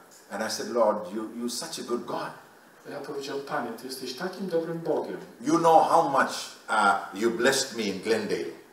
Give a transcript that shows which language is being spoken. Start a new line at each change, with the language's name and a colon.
English: And I said, Lord, you're such a good God.
Polish: Ja powiedziałem, Panie, ty jesteś takim dobrym Bogiem.
English: You know how much you blessed me in Glendale.